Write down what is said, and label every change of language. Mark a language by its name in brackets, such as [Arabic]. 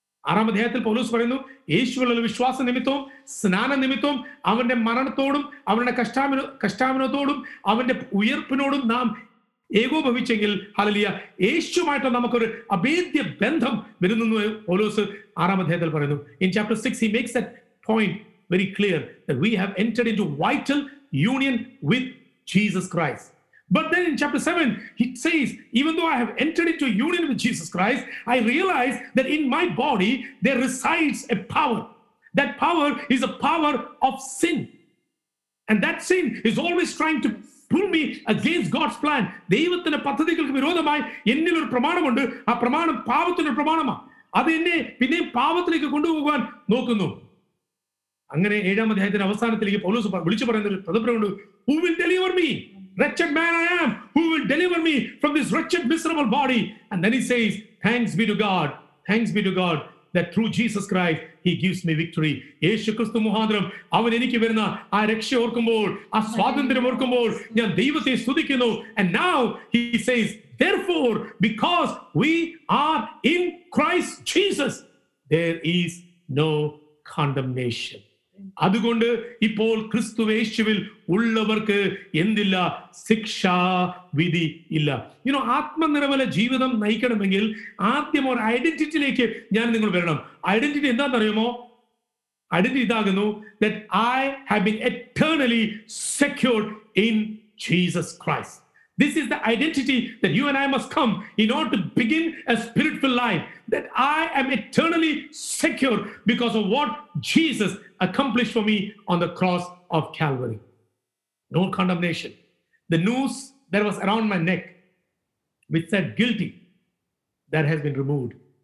[Malayalam] ആറാമധ്യായത്തിൽ പൗലോസ് പറയുന്നു, യേശുവിലുള്ള വിശ്വാസ നിമിത്തവും സ്നാന നിമിത്തവും അവന്റെ മരണത്തോടും അവന്റെ കഷ്ടാവിനോടും അവന്റെ ഉയർപ്പിനോടും നാം ഏകോപവിച്ചെങ്കിൽ, ഹല്ലേലൂയ, യേശുവുമായിട്ട് നമുക്കൊരു അഭേദ്യ ബന്ധം വരുന്നു എന്ന് പൗലോസ് ആറാമധ്യായത്തിൽ പറയുന്നു. [English] In chapter 6 he makes the point very clear that we have entered into vital union with Jesus Christ. But then in chapter 7, he says, even though I have entered into union with Jesus Christ, I realize that in my body there resides a power. That power is a power of sin. And that sin is always trying to pull me against God's plan. [Malayalam] ദൈവത്തിന്റെ പദ്ധതികൾക്ക് വിരോധമായി എന്നിൽ ഒരു പ്രമാണമുണ്ട്. ആ പ്രമാണം പാപത്തിന്റെ പ്രമാണമാണ്. അത് എന്നെ പിന്നെയും പാപത്തിലേക്ക് കൊണ്ടുപോകാൻ നോക്കുന്നു. അങ്ങനെ ഏഴാം അധ്യായത്തിന്റെ അവസാനത്തിലേക്ക് പൗലോസ് വിളിച്ചു പറയുന്ന പദപ്രയോഗമുണ്ട്, [English] who will deliver me, wretched man I am, who will deliver me from this wretched miserable body. And then he says, thanks be to God that through Jesus Christ he gives me victory. [Malayalam] യേശുക്രിസ്തു മുഖാന്തരം അവൻ എനിക്ക് വരുന്ന ആ രക്ഷ ഓർക്കുമ്പോൾ, ആ സ്വാതന്ത്ര്യം ഓർക്കുമ്പോൾ ഞാൻ ദൈവത്തെ സ്തുതിക്കുന്നു. [English] And now he says, therefore, because we are in Christ Jesus, there is no condemnation. [Malayalam] അതുകൊണ്ട് ഇപ്പോൾ ക്രിസ്തു യേശുവിൽ ഉള്ളവർക്ക് എന്തില്ല? ശിക്ഷാവിധി ഇല്ല. യുനോ, ആത്മനിർവല ജീവിതം നയിക്കണമെങ്കിൽ ആദ്യം ഒരു ഐഡന്റിറ്റിയിലേക്ക് ഞാൻ നിങ്ങൾ വരണം. ഐഡന്റിറ്റി എന്താണെന്നറിയുമോ? ഐഡന്റിറ്റി ഇതാകുന്നു, [English] That I have been eternally secured in Jesus Christ. This is the identity that you and I must come in order to begin a spirit-filled life, that I am eternally secure because of what Jesus accomplished for me on the cross of Calvary. No condemnation. The noose that was around my neck, which said guilty, that has been removed